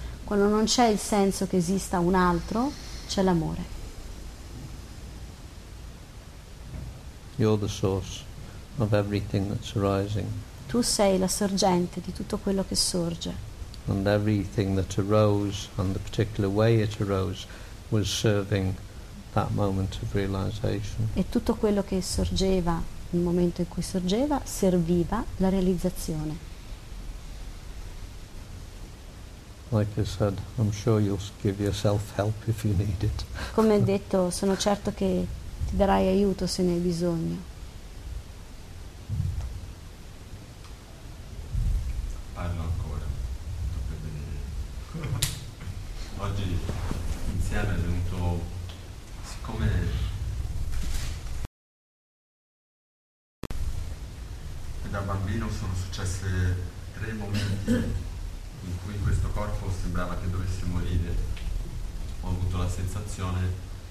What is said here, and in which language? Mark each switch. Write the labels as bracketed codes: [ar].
[it] Quando non c'è il senso che esista un altro, c'è l'amore. [en] You're the source of everything that's arising. [it] Tu sei la sorgente di tutto quello che sorge. [en] And everything that arose, and the particular way it arose, was serving that moment of realization. [it] E tutto quello che sorgeva, il momento in cui sorgeva, serviva la realizzazione. [en] Like I said, I'm sure you'll give yourself help if you need it. [it] Come detto, sono certo che ti darai aiuto se ne hai bisogno. Parlo ancora. Oggi insieme è venuto, siccome da bambino sono successe tre momenti in cui questo corpo sembrava che dovesse morire, ho avuto la sensazione